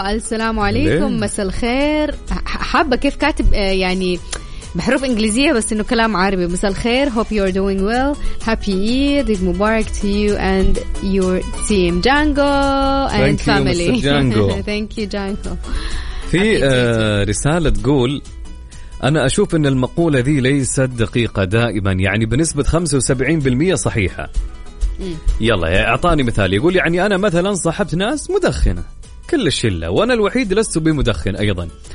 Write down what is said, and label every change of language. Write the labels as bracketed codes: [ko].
[ar] السلام عليكم مساء الخير. حابة كيف كاتب يعني بحروف إنجليزية بس إنه كلام عربي. مساء الخير. [en] hope you're doing well. happy Eid. Eid Mubarak to you and your team. Django and family. thank you Django. thank you Django. [ar] في رسالة تقول أنا أشوف إن المقولة ذي ليست دقيقة دائما يعني بنسبة 75% صحيحة. يلا أعطاني مثال. يقول يعني أنا مثلا صاحبت ناس مدخنة كل الشلة وأنا الوحيد لست بمدخن أيضا.